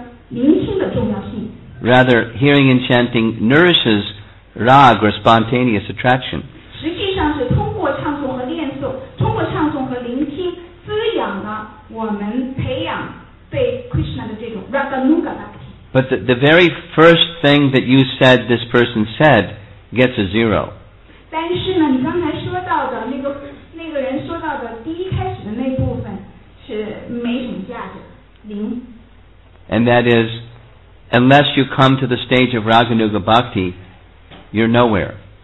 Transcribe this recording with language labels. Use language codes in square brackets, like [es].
[en] Rather, hearing and chanting nourishes rag or spontaneous attraction. [zh] 实际上是通过唱诵和念诵，通过唱诵和聆听，滋养了我们培养对 Krishna 的这种 raganuga bhakti. [en] But the very first thing that you said this person said gets a zero. [zh] 但是呢，你刚才说到的那个人说到的第一开始的那部分是没什么价值。 [en] And that is, unless you come to the stage of Raganuga Bhakti, you're nowhere.